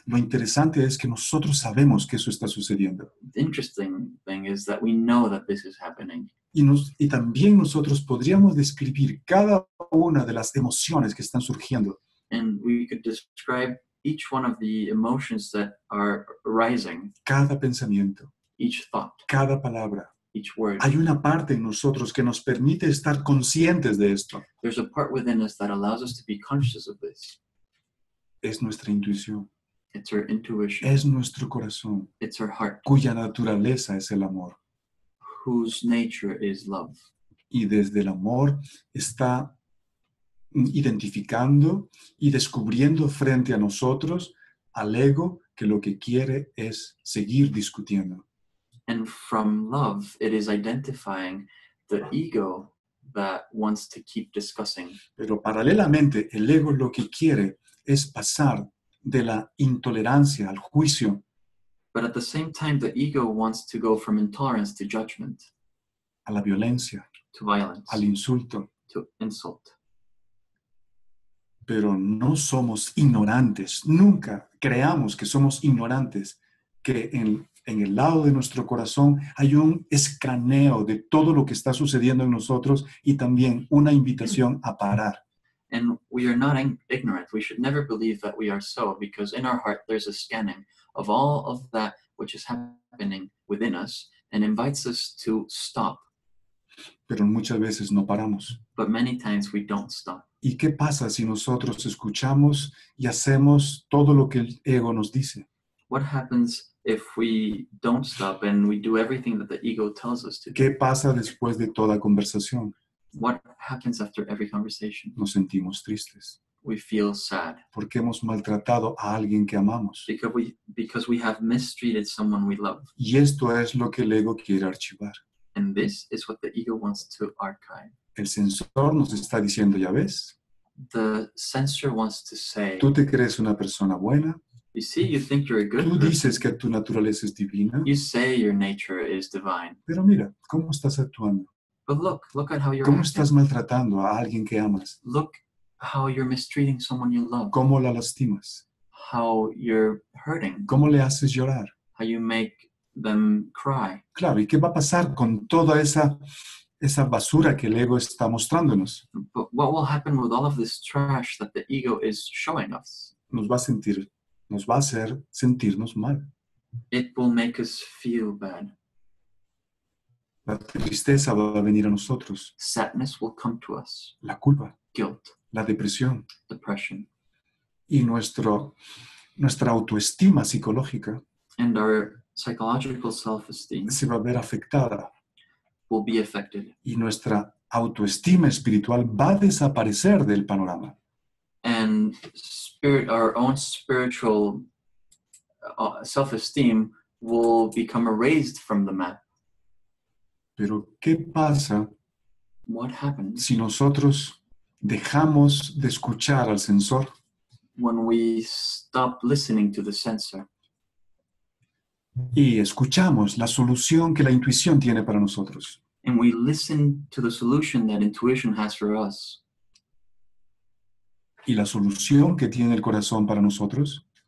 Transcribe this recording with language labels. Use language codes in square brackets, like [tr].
[es] Lo interesante es que nosotros sabemos que eso está sucediendo. [en] The interesting thing is that we know that this is happening. [es] Y también nosotros podríamos describir cada una de las emociones que están surgiendo. [en] And we could describe each one of the emotions that are arising. [es] Cada pensamiento. [en] Each thought. [es] Cada palabra. [en] Each word. [es] Hay una parte en nosotros que nos permite estar conscientes de esto. [en] There's a part within us that allows us to be conscious of this. [es] Es nuestra intuición. [en] It's our intuition. [es] Es nuestro corazón. [en] It's our heart. [es] Cuya naturaleza es el amor. [en] Whose nature is love. [es] Y desde el amor está identificando y descubriendo frente a nosotros al ego que lo que quiere es seguir discutiendo. [en] And from love, it is identifying the ego that wants to keep discussing. [es] Pero paralelamente, el ego lo que quiere es pasar de la intolerancia al juicio. [en] But at the same time, the ego wants to go from intolerance to judgment. [es] A la violencia. [en] To violence. [es] Al insulto. [en] To insult. [es] Pero no somos ignorantes. Nunca creamos que somos ignorantes. Que en el lado de nuestro corazón hay un escaneo de todo lo que está sucediendo en nosotros y también una invitación a parar. [en] And we are not ignorant. We should never believe that we are so, because in our heart there's a scanning of all of that which is happening within us and invites us to stop. [es] Pero muchas veces no paramos. [en] But many times we don't stop. [es] ¿Y qué pasa si nosotros escuchamos y hacemos todo lo que el ego nos dice? [en] What happens if we don't stop and we do everything that the ego tells us to do? [es] ¿Qué pasa después de toda conversación? [en] What happens after every conversation? [es] Nos sentimos tristes. [en] We feel sad. [es] Porque hemos maltratado a alguien que amamos. [en] Because we have mistreated someone we love. [es] Y esto es lo que el ego quiere archivar. [en] And this is what the ego wants to archive. [es] El sensor nos está diciendo, ya ves. [en] The sensor wants to say. [es] Tú te crees una persona buena. [en] You see, you think you're a good person. [es] Tú dices que tu naturaleza es divina. [en] You say your nature is divine. [es] Pero mira, ¿cómo estás actuando? [en] But look at how you're. [es] ¿Cómo estás maltratando a alguien que amas? [en] Look how you're mistreating someone you love. [es] ¿Cómo la lastimas? [en] How you're hurting. [es] ¿Cómo le haces llorar? [en] How you make them cry. [es] Claro, ¿y qué va a pasar con toda esa basura que el ego está mostrándonos? [en] But what will happen with all of this trash that the ego is showing us? [es] Nos va a hacer sentirnos mal. [en] It will make us feel bad. [es] La tristeza va a venir a nosotros. [en] Sadness will come to us. [es] La culpa. [en] Guilt. [es] La depresión. [en] Depression. [es] Y nuestra autoestima psicológica. [en] And our psychological self-esteem. [es] Se va a ver afectada. [en] Will be affected. [es] Y nuestra autoestima espiritual va a desaparecer del panorama. [en] And our own spiritual self-esteem will become erased from the map. [es] Pero, ¿qué pasa [en] What happens? [es] Si nosotros dejamos de escuchar al sensor? [en] When we stop listening to the sensor. [es] Y escuchamos la solución que la intuición tiene para nosotros. [en] And we listen to the solution that intuition has for us. [es] Y la solución que tiene el corazón para nosotros.